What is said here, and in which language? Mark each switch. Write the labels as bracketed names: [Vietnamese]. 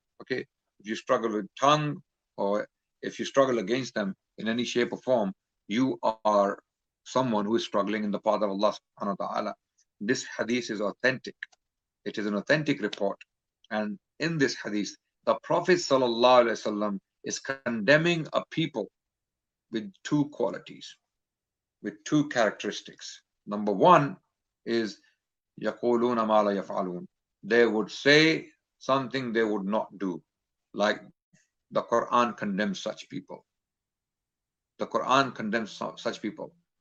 [English] Okay, if you struggle with tongue, or if you struggle against them in any shape or form, you are someone who is struggling in the path of Allah subhanahu wa ta'ala. This hadith is authentic. It is an authentic report. And in this hadith, the Prophet ﷺ is condemning a people with two qualities, with two characteristics. Number one is [Arabic] يَقُولُونَ مَا لَا يَفْعَلُونَ. [English] They would say something they would not do, like the Quran condemns such people. The Quran condemns such people.